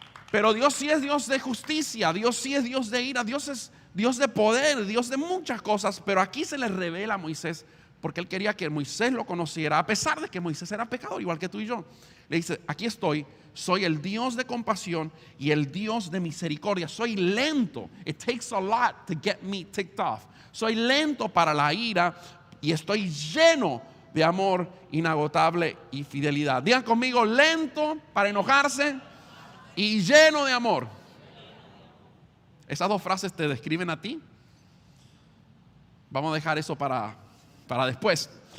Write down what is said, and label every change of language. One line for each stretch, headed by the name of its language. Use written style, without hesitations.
Spanish: Pero Dios sí es Dios de justicia, Dios sí es Dios de ira, Dios es Dios de poder, Dios de muchas cosas. Pero aquí se le revela a Moisés, porque él quería que Moisés lo conociera, a pesar de que Moisés era pecador, igual que tú y yo. Le dice: aquí estoy, soy el Dios de compasión y el Dios de misericordia. Soy lento,
English: it takes a lot to get me ticked off.
Spanish: Soy lento para la ira y estoy lleno de amor inagotable y fidelidad. Digan conmigo: lento para enojarse y lleno de amor. Esas dos frases te describen a ti. Vamos a dejar eso para después.